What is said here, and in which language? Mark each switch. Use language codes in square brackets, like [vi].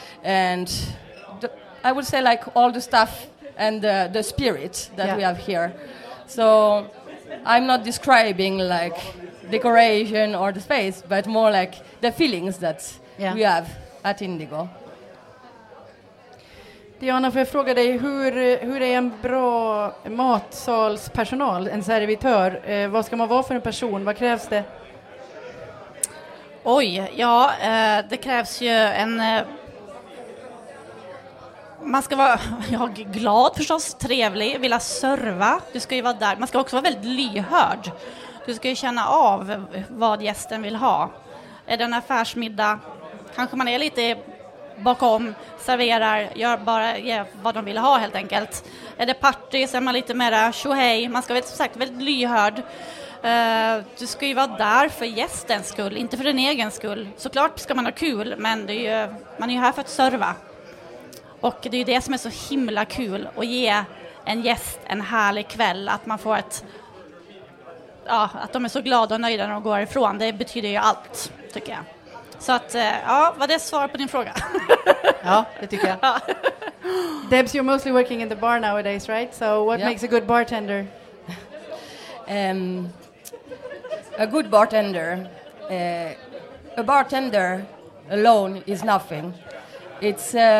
[en] And I would say like all the stuff and the spirit that we have here. So I'm not describing like decoration or the space, but more like the feelings that we have at Indigo. [sv] Diana, får jag fråga dig, hur är en bra matsalspersonal, en servitör? Vad ska man vara för en person? Vad krävs det? Oj, ja, det krävs ju en... Man ska vara glad förstås, trevlig, vilja serva. Du ska ju vara där. Man ska också vara väldigt lyhörd. Du ska ju känna av vad gästen vill ha. Är det en affärsmiddag? Kanske man är lite bakom, serverar, gör bara vad de vill ha helt enkelt. Är det party så är man lite mera tjohej. Man ska vara som sagt väldigt lyhörd. Du ska ju vara där för gästens skull, inte för din egen skull. Såklart ska man ha kul, men det är ju, man är ju här för att serva. Och det är ju det som är så himla kul, att ge en gäst en härlig kväll. Att man får ett... Ja, att de är så glada och nöjda när de går ifrån. Det betyder ju allt, tycker jag. Så att, ja, var det svar på din fråga? Ja, det tycker jag. [en] Debs, you're mostly working in the bar nowadays, right? So what makes a good bartender? A good bartender... a bartender alone is nothing. It's...